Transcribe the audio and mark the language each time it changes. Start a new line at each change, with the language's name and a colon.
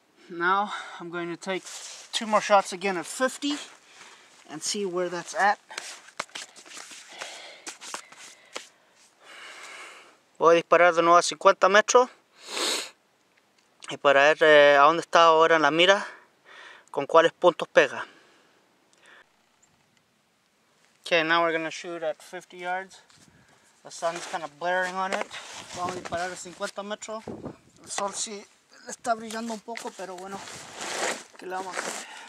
English: Now I'm going to take 2 more shots again at 50 and see where that's at.
Spanish: Voy a disparar de nuevo a 50 metros y para ver a dónde está ahora en la mira, con cuáles puntos pega.
English: Okay, now we're going to shoot at 50 yards. The sun's kind of blaring on it.
Spanish: Vamos a disparar a 50 metros. El sol sí le está brillando un poco, pero bueno, ¿qué le vamos a hacer?